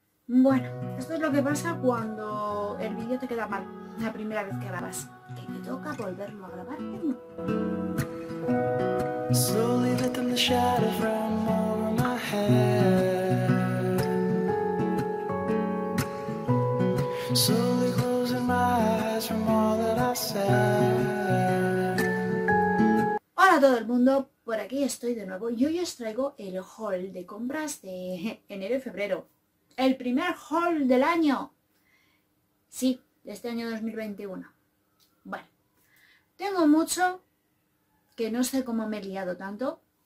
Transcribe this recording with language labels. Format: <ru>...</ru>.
<es>Bueno, esto es lo que pasa cuando el vídeo te queda mal la primera vez que grabas. Que te toca volverlo a grabar.</es> <en>Slowly lifting the shadow from over my head. Slowly closing my eyes from all that I said.</en> <es>Hola a todo el mundo. Por aquí estoy de nuevo y hoy os traigo el haul de compras de enero y febrero. ¡El primer haul del año! Sí, de este año 2021. Bueno, tengo mucho que no sé cómo me he liado tanto.</es>